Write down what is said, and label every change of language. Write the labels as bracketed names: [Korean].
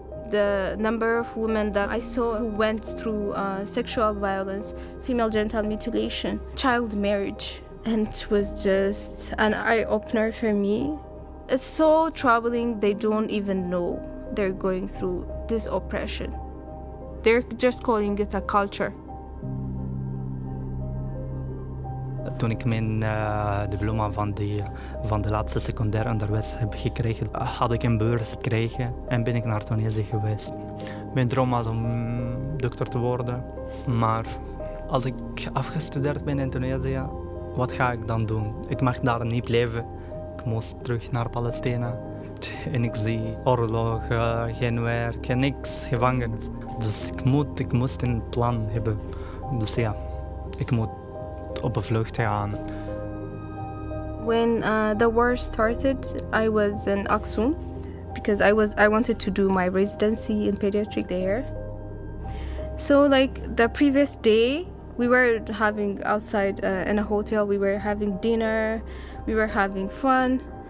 [English] The number of women that I saw who went through sexual violence, female genital mutilation, child marriage, and it was just an eye-opener for me. It's so troubling, they don't even know they're going through this oppression. They're just calling it a culture. [Dutch] Toen ik mijn diploma van de laatste secundair onderwijs heb gekregen, had ik een beurs gekregen en ben ik naar Tunesië geweest. Mijn droom was om dokter te worden. Maar als ik afgestudeerd ben in Tunesië, wat ga ik dan doen? Ik mag daar niet blijven. Ik moest terug naar Palestina. En ik zie oorlogen, geen werk, niks, gevangenis. Dus ik moest een plan hebben. Dus ja, ik moet op een vlucht gaan. [English] When the war started, I was in Aksum because I wanted to do my residency in pediatric there. So like the previous day, we were having outside in a hotel, we were having dinner, we were having fun.